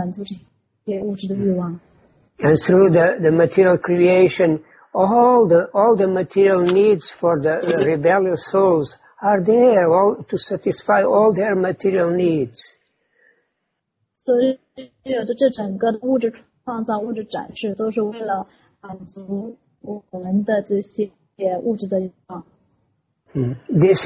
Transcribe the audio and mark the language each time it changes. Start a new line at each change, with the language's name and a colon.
Chinese: 所以帕帕的就很多次说到，他也非常关心我们的福祉，所以他一直陪伴着我们，作为超灵住在我们的内心，一直陪伴着我们，为我们满足我们的物质欲望，为我们提供所有的便利条件，来满足这些物质的欲望。
English: And through the material creation, all the material needs for the rebellious souls are there, all to satisfy all their material needs.
Chinese: 所以有的这整个的物质创造、物质展示，都是为了满足我们的这些物质的欲望。This